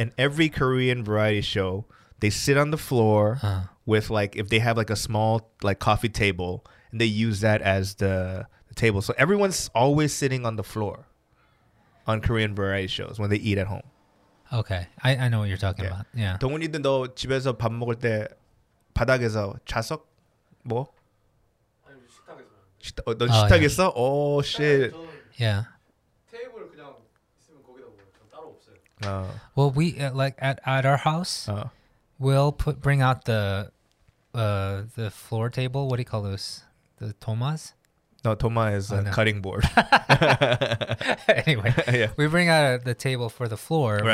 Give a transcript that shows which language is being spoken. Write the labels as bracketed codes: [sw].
[en] And every Korean variety show, they sit on the floor with like, if they have like a small like coffee table and they use that as the table. So everyone's always sitting on the floor on Korean variety shows when they eat at home. Okay. I know what you're talking about. Yeah. [ko] 동훈이든 너 집에서 밥 먹을 때 바닥에서 좌석 뭐? 아니 식탁에서. 넌 식탁에서? [en] 오 shit. Yeah. [ko] 테이블 그냥 있으면 거기다 먹어요. 전 따로 없어요. [en] Well, we like at our house, we'll bring out the floor table. What do you call those? The tomas? No, toma is a cutting board. Anyway, yeah. We bring out the table for the floor right.